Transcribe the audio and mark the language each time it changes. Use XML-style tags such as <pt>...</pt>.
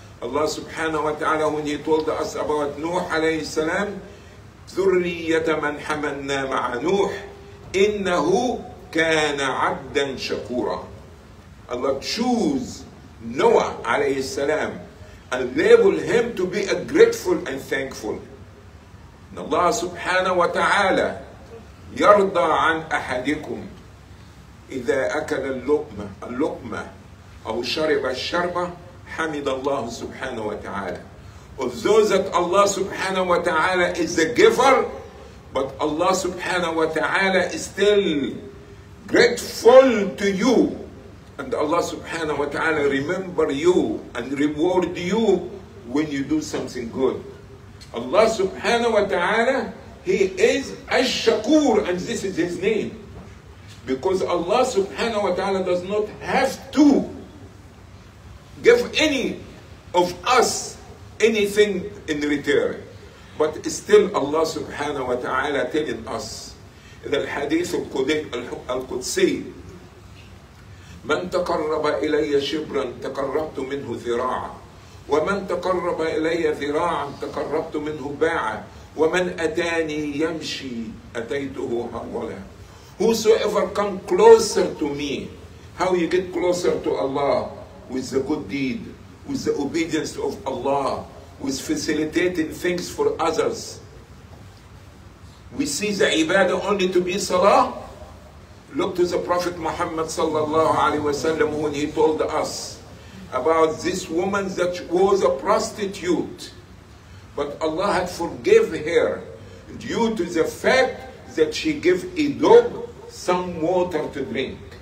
<en>Allah subhanahu wa ta'ala, when he told us about Nuh alayhi salam,</en> <ar>ذُرِّيَّةَ مَنْ حَمَلْنَا مَعَ نُوحٍ إِنَّهُ كَانَ عَبْدًا شَكُورًا.</ar> <en>Allah choose Noah alayhi salam and label him to be a grateful and thankful.</en> <ar>And Allah subhanahu wa ta'ala يرضى عن أحدكم إذا أكل اللقمة أو شرب الشربة حمد الله سبحانه وتعالى.</ar> <en>Of those that Allah subhanahu wa ta'ala is the giver, but Allah subhanahu wa ta'ala is still grateful to you. And Allah subhanahu wa ta'ala remember you and reward you when you do something good. Allah subhanahu wa ta'ala, He is Ash-Shakur, and this is His name. Because Allah subhanahu wa ta'ala does not have to give any of us anything in return. But still Allah subhanahu wa ta'ala telling us in the hadith al-Qudsi,</en> <ar>من تقرب إلي شبرا تقربت منه ذراعا ومن تقرب إلي ذراعا تقربت منه باعا ومن أتاني يمشي أتيته هرولا.</ar> <en>Whosoever come closer to me, how you get closer to Allah? With the good deed, with the obedience of Allah, with facilitating things for others. We see the ibadah only to be salah. Look to the Prophet Muhammad sallallahu alaihi wasallam when he told us about this woman that was a prostitute, but Allah had forgave her due to the fact that she gave a dog some water to drink.</en>